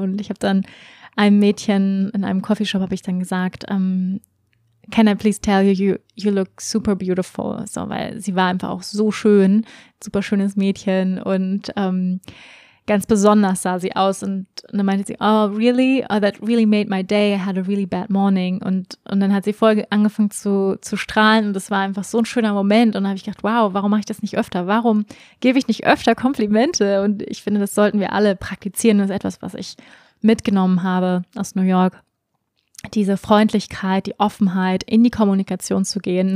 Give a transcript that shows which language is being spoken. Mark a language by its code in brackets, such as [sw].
[de] Und ich habe dann einem Mädchen in einem Coffeeshop habe ich dann gesagt, [en] can I please tell you, you look super beautiful. [de] So, weil sie war einfach auch so schön, super schönes Mädchen, und ganz besonders sah sie aus, und dann meinte sie, [en] oh, really? Oh, that really made my day. I had a really bad morning. [de] Und dann hat sie voll angefangen zu strahlen, und das war einfach so ein schöner Moment. Und da habe ich gedacht, wow, warum mache ich das nicht öfter? Warum gebe ich nicht öfter Komplimente? Und ich finde, das sollten wir alle praktizieren. Das ist etwas, was ich mitgenommen habe aus New York. Diese Freundlichkeit, die Offenheit, in die Kommunikation zu gehen.